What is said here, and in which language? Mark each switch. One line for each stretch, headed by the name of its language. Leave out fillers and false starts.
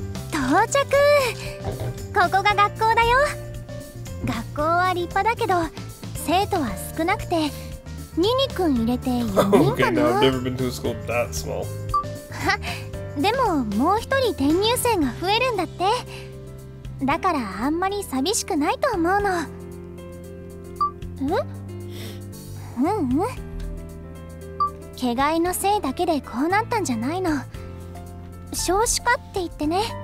Japanese: 到着。ここが学校だよ。学校は立派だけど、生徒は少なくて、ニニ君入れて4人かな。
English: Okay, now I've never been to a school that small.
Japanese: でも、もう一人転入生が増えるんだって。だからあんまり寂しくないと思うの。え？ううん。けがいのせいだけでこうなったんじゃないの。少子化って言ってね。